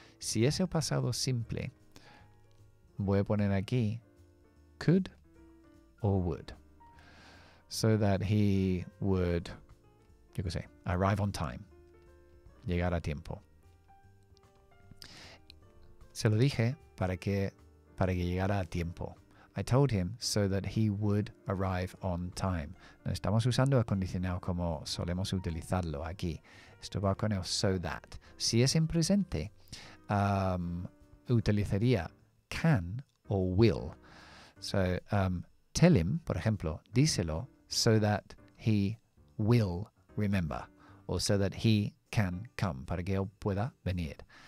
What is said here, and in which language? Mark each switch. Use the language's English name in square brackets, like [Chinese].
[Spanish] Si es el pasado simple, voy a poner aquí, [English] could or would. So that he would, [Spanish] yo qué sé, [English] arrive on time, [Spanish] llegar a tiempo. Se lo dije para que llegara a tiempo. [English] I told him so that he would arrive on time. [Spanish] No estamos usando el condicional como solemos utilizarlo aquí. Esto va con el so that. Si es en presente, utilizaría can o will. [English] So, tell him, [Spanish] por ejemplo, díselo, [English] so that he will remember, or so that he can come, [Spanish] para que él pueda venir.